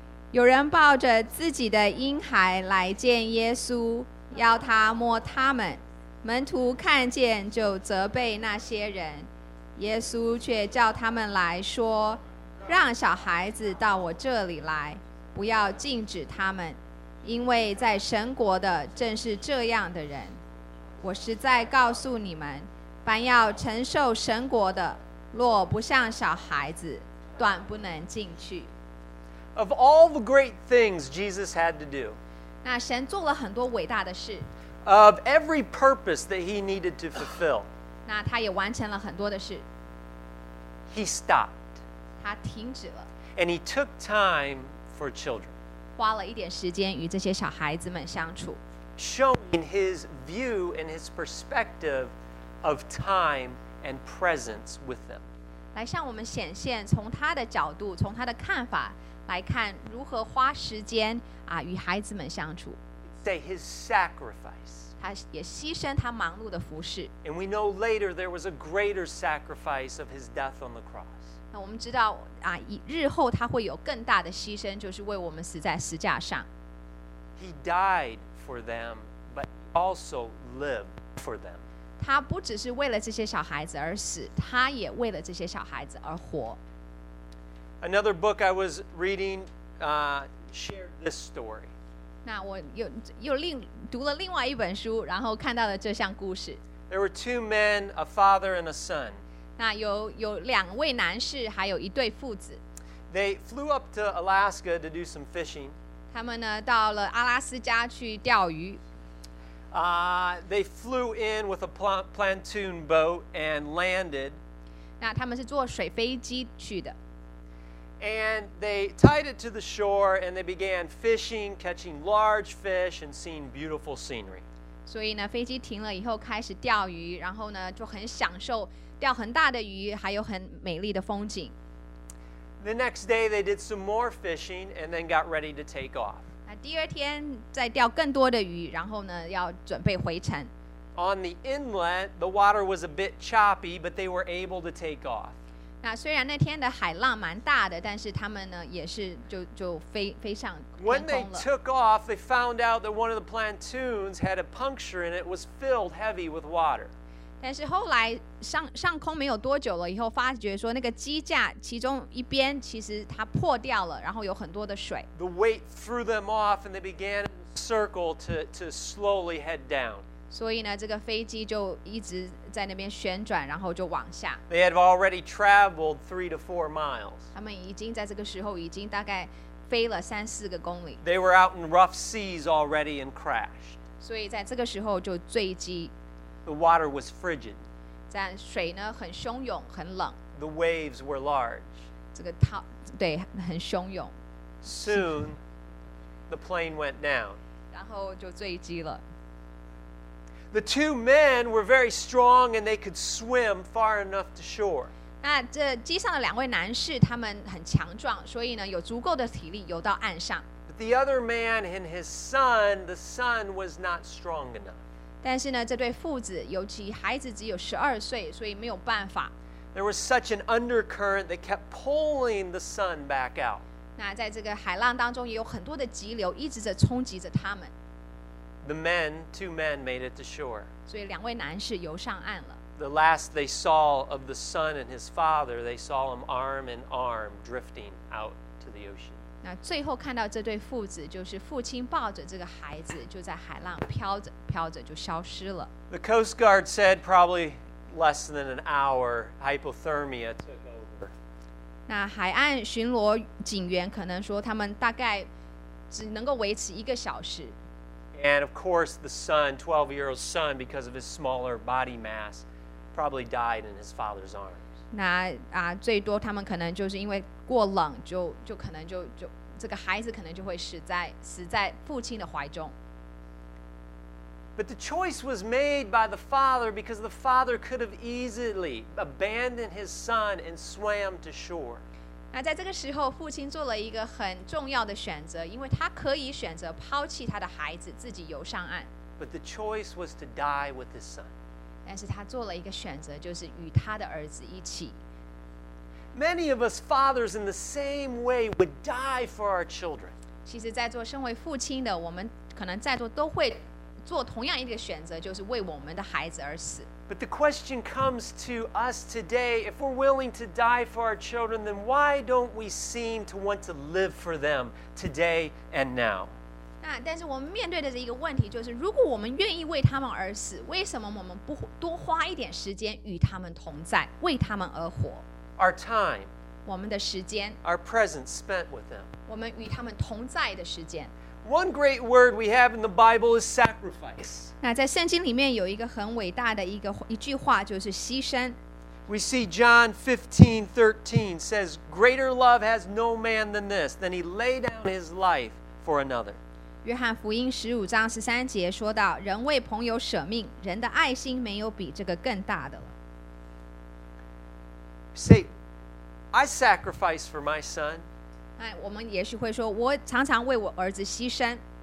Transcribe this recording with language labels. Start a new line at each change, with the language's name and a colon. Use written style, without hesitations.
Chinese: 有人抱着自己的婴孩来见耶稣要他摸他们门徒看见就责备那些人耶稣却叫他们来说让小孩子到我这里来不要禁止他们因为在神国的正是这样的人。我实在告诉你们，凡要承受神国的，若不像小孩子，断不能进去。
English: Of all the great things Jesus had to do,
Chinese: 那神做了很多伟大的事。
English: Of every purpose that he needed to fulfill,
Chinese: 那他也完成了很多的事。
English: He stopped.
Chinese: 他停止了。
English: And he took time for children.
Chinese: 花了一点时间与这些小孩子们相处。
English: Showing his view and his perspective of time and presence with them.
Chinese: 来向我们显现从他的角度，从他的看法来看如何花时间啊与孩子们相处。
English: Say his sacrifice.
Chinese: 他也牺牲他忙碌的服事。
English: And we know later there was a greater sacrifice of his death on the cross.
Chinese: 那我们知道、啊、日后他会有更大的牺牲，就是为我们死在十架上。
English: He died for them, but also lived for them.
Chinese: 他不只是为了这些小孩子而死，他也为了这些小孩子而活。
English: Another book I was reading, shared this story.
Chinese: 那我 又读了另外一本书，然后看到了这项故事。
English: There were two men, a father and a son.
Chinese: 那 有两位男士还有一对父子。
English: They flew up to Alaska to do some fishing.
Chinese: 他们呢到了阿拉斯加去钓鱼。
English: They flew in with a pontoon boat and landed.
Chinese: 那他们是坐水飞机去的。
English: And they tied it to the shore and they began fishing, catching large fish and seeing beautiful scenery.
Chinese: 所以呢飞机停了以后开始钓鱼，然后呢就很享受钓很大的鱼，还有很美丽的风景。
English: The next day, they did some more fishing and then got ready to take off.
Chinese: 那第二天再钓更多的鱼，然后呢要准备回程。
English: On the inlet, the water was a bit choppy, but they were able to take off.
Chinese: 那虽然那天的海浪蛮大的，但是他们呢也是就飞上天空了。
English: When they took off, they found out that one of the pontoons had a puncture and it was filled heavy with water.
Chinese: 但是后来 上空没有多久了以后发觉说那个机架其中一边其实它破掉了，然后有很多的水。
English: The weight threw them off and they began a circle to slowly head down.
Chinese: 所以呢这个飞机就一直在那边旋转，然后就往下。
English: They had already traveled 3 to 4 miles.
Chinese: 他们已经在这个时候已经大概飞了三四个公里。
English: They were out in rough seas already and crashed.
Chinese: 所以在这个时候就坠机。
English: The water was frigid.
Chinese: 但水呢很汹涌，很冷。
English: The waves were large.
Chinese: 这个涛对很汹涌。
English: Soon, the plane went down.
Chinese: 然后就坠机了。
English: The two men were very strong, and they could swim far enough to shore.
Chinese: 那这机上的两位男士，他们很强壮，所以呢有足够的体力游到岸上。
English: But the other man and his son, the son was not strong enough.
Chinese: 但是呢，这对父子，尤其孩子只有12岁，所以没有办法。
English: There was such an undercurrent that kept pulling the son back out.
Chinese: 那在这个海浪当中，也有很多的急流一直在冲击着他们。
English: The men, two men, made it to shore.
Chinese: 所以两位男士游上岸了。
English: The last they saw of the son and his father, they saw him arm in arm drifting out to the ocean.
Chinese: 那最后看到这对父子，就是父亲抱着这个孩子，就在海浪飘着飘着就消失了。
English: The Coast Guard said probably less than an hour, hypothermia took over.
Chinese: 那海岸巡逻警员可能说他们大概只能够维持一个小时。
English: And of course, the son, 12-year-old son, because of his smaller body mass, probably died in his father's arms.
Chinese: 那、啊、最多他们可能就是因为过冷 就可能这个孩子可能就会死在父亲的怀中。
English: But the choice was made by the father because the father could have easily abandoned his son and swam to shore.
Chinese: 那在这个时候父亲做了一个很重要的选择，因为他可以选择抛弃他的孩子自己游上岸。
English: But the choice was to die with his son.
Chinese: 但是他做了一个选择，就是与他的儿子一起。
English: Many of us fathers in the same way would die for our children.
Chinese: 其实在座身为父亲的，我们可能在座都会做同样一个选择，就是为我们的孩子而死。
English: But the question comes to us today, if we're willing to die for our children, then why don't we seem to want to live for them today and now?
Chinese: 那但是我们面对的一个问题就是，如果我们愿意为他们而死，为什么我们不多花一点时间与他们同在，为他们而活？
English: Our time，
Chinese: 我们的时间，
English: our presence spent with them，
Chinese: 我们与他们同在的时间。
English: One great word we have in the Bible is sacrifice。
Chinese: 那在圣经里面有一个很伟大的一句话，就是牺牲。
English: We see John 15:13 says, "Greater love has no man than this, than he lay down his life for another."
Chinese: 约翰福音十五章十三节说到，人为朋友舍命，人的爱心没有比这个更大的了。
English: Say, "I sacrifice for my son."
Chinese: 哎，我们也许会说，我常常为我儿子牺牲。